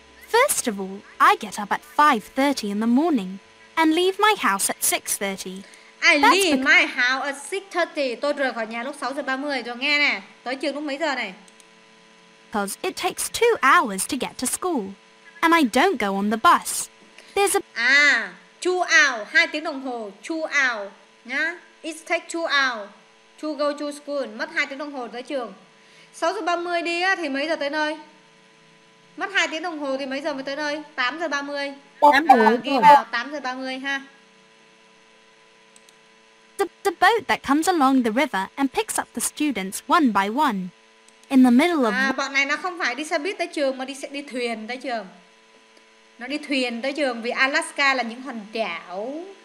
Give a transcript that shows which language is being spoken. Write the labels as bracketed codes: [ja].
[en] First of all, I get up at 5:30 in the morning and leave my house at 6:30. I That's leave my house at 6:30. [vi] Tôi rời khỏi nhà lúc 6:30 rồi nghe nè. Tới trường lúc mấy giờ này? [en] Because it takes 2 hours to get to school, and I don't go on the bus. There's a 2 hours, [vi] 2 tiếng đồng hồ, 2 hours, nhá. [en] It takes 2 hours. To go to school, [vi] mất 2 tiếng đồng hồ tới trường. 6:30 đi á, thì mấy giờ tới nơi? Mất 2 tiếng đồng hồ thì mấy giờ mới tới nơi? 8:30. Ghi vào 8:30 ha. [en] The boat that comes along the river and picks up the students one by one. In the middle of... [vi] Bọn này nó không phải đi xe buýt tới trường mà đi thuyền tới trường. Nó đi thuyền tới trường vì Alaska là những hòn đảo.